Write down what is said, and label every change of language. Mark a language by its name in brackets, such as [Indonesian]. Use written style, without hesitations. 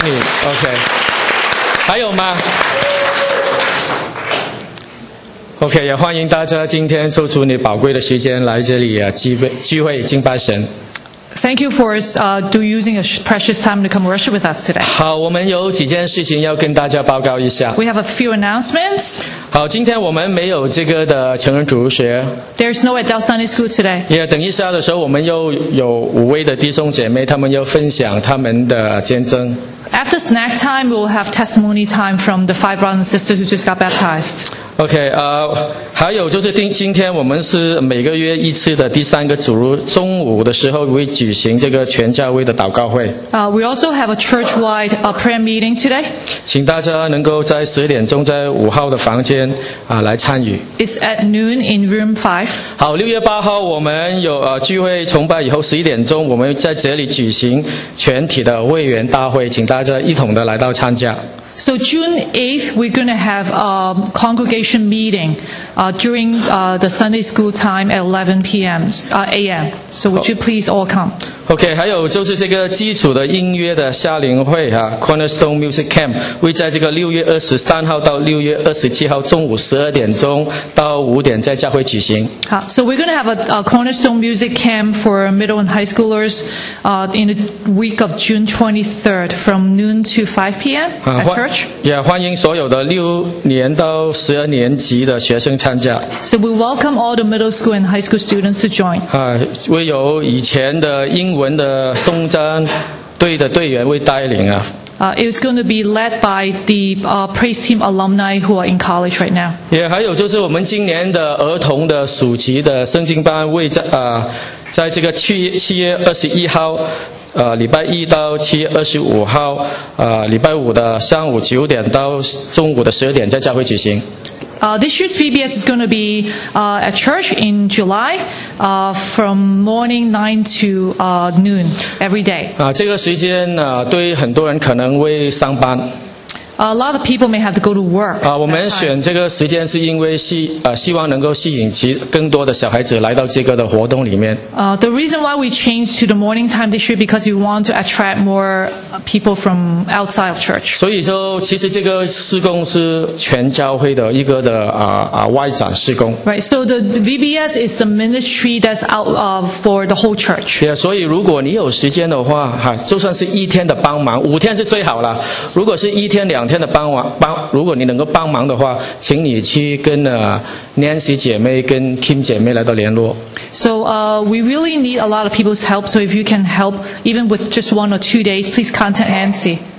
[Chinese] OK， 还有吗 ？OK， 也欢迎大家今天抽出你宝贵的时间来这里啊，聚会敬拜神。 [English] Thank you for using a precious time to come worship with us today. [Chinese] 好，我们有几件事情要跟大家报告一下。 [English] We have a few announcements. [Chinese] 好，今天我们没有这个的成人主日学。 [English] There's no adult Sunday school today. [Chinese] Yeah, 等一下的时候，我们又有五位的弟兄姐妹，他们要分享他们的见证。 [English] After snack time, we'll have testimony time from the 5 brothers and sisters who just got baptized. [Chinese] Okay, 还有就是今天我们是每个月一次的第三个主日，中午的时候会举行这个全教会的祷告会。 [English] We also have a church-wide prayer meeting today. [Chinese] 请大家能够在十点钟在五号的房间来参与。 [English] It's at noon in room 5. [Chinese] 好，6月8号我们有聚会崇拜以后11点钟我们在这里举行全体的会员大会，请大家一同的来到参加。 [English] So June 8th, we're going to have a congregation meeting during the Sunday school time at 11 p.m. A.M. So would you please all come? [Chinese] Okay, 还有就是这个基础的音乐的夏令会啊 Cornerstone Music Camp 会在这个6月23号到6月27号中午12点钟到5点在教会举行。 [English] 好 ，So we're going to have a Cornerstone Music Camp for middle and high schoolers in the week of June 23rd from noon to 5 p.m. [Chinese] Yeah, 欢迎所有的六年到十二年级的学生参加。 [English] So we welcome all the middle school and high school students to join. [Chinese] 会有以前的英文的松赞队的队员会带领啊。 [English] It was going to be led by the praise team alumni who are in college right now. [Chinese] Yeah, 还有就是我们今年的儿童的暑期的圣经班会在这个7月21号。礼拜一到7月25号，礼拜五的上午9点到中午的12点在教会举行。 [English] This year's VBS is going to be at church in July, from morning 9 to noon every day. [Chinese] 这个时间对很多人可能会上班。 [English] A lot of people may have to go to work. [Chinese] 我们选这个时间是因为希望能够吸引更多的小孩子来到这个的活动里面。 [English] The reason why we change to the morning time this year because we want to attract more people from outside of church. [Chinese] 所以说，其实这个事工是全教会的一个的外展事工。 [English] Right. So the VBS is a ministry that's out for the whole church. Yeah. [Chinese] 所以如果你有时间的话，就算是一天的帮忙，五天是最好了。如果是一天两天的帮忙，如果你能够帮忙的话，请你去跟Nancy 姐妹跟 Kim 姐妹来到联络。 [English] So we really need a lot of people's help. So if you can help even with just 1 or 2 days, please contact Nancy.